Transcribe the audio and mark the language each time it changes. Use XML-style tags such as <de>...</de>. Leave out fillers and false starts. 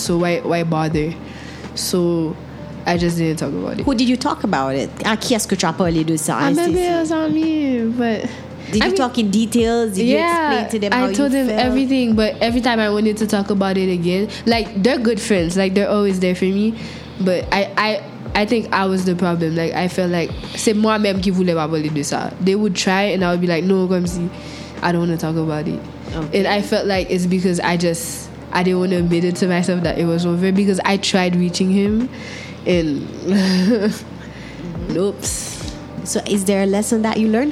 <en>So why bother? So I just didn't talk about it. Who did you talk about it?</en> <fr>À qui est-ce que tu as parlé de ça?</fr> <en>Did you talk in details? Did you explain to them how you felt? Everything. But every time I wanted to talk about it again, like, they're good friends. Like, they're always there for me. But I think I was the problem. Like, I felt like</en> <fr>c'est moi-même qui voulais pas parler de ça.</fr> <en>They would try and I would be like, no,</en> <fr>comme si,</fr> <en>I don't want to talk about it. Okay. And I felt like it's because I didn't want to admit it to myself that it was over because I tried reaching him. And oops. So is there a lesson that you learned?</en>